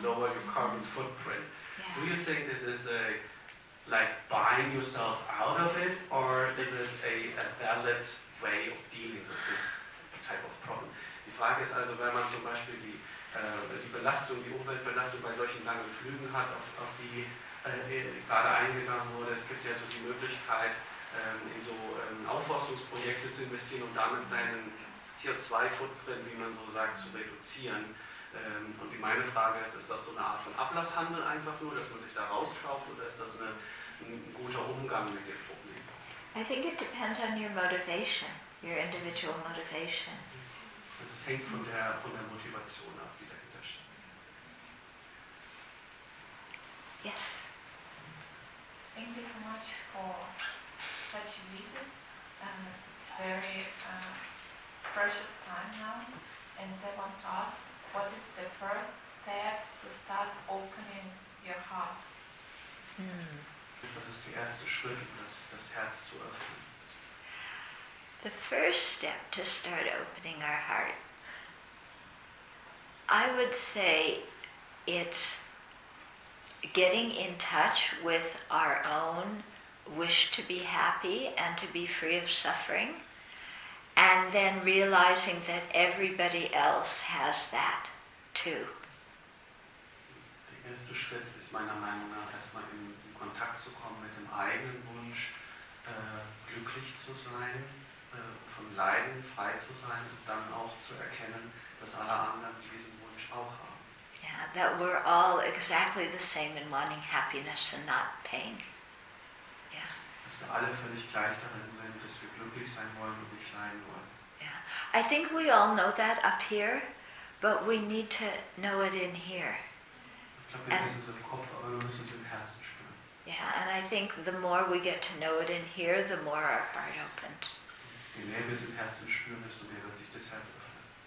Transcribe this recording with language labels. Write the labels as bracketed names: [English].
[English] you lower your carbon footprint. Yeah. Do you think this is a like buying yourself out of it, or is it a valid way of dealing with this type of problem? [German] Die Frage ist also, wenn man zum Beispiel die Umweltbelastung bei solchen langen Flügen hat, auf die gerade eingegangen wurde, es gibt ja so die Möglichkeit, in so Aufforstungsprojekte zu investieren, um damit seinen CO2-Footprint, wie man so sagt, zu reduzieren. Und die meine Frage ist das so eine Art von Ablasshandel einfach nur, dass man sich da rauskauft, oder ist das ein guter Umgang mit dem Problem? [English] I think it depends on your motivation, your individual motivation. [German] Also es hängt von der Motivation ab, die dahinter steht. [English] Yes. Thank you so much for such a visit. It's very precious time now. And I want to ask, what is the first step to start opening your heart? [German] Was ist der erste Schritt, das Herz zu öffnen? [English] The first step to start opening our heart, I would say it's getting in touch with our own wish to be happy and to be free of suffering, and then realizing that everybody else has that too. [German] Der erste Schritt ist meiner Meinung nach erstmal in Kontakt zu kommen mit dem eigenen Wunsch, glücklich zu sein, von Leiden frei zu sein und dann auch zu erkennen, dass alle anderen diesen Wunsch auch haben. [English] Yeah, that we're all exactly the same in wanting happiness and not pain. Yeah. [German] Dass wir alle völlig gleich darin sind, dass wir glücklich sein wollen und nicht leiden wollen. [English] Yeah. I think we all know that up here, but we need to know it in here. [German] Ich glaube, wir wissen es im Kopf, aber wir müssen es im Herzen spüren. [English] Yeah, and I think the more we get to know it in here, the more our heart opens. [German] Je mehr wir es im Herzen spüren, desto mehr wird sich das Herz öffnen.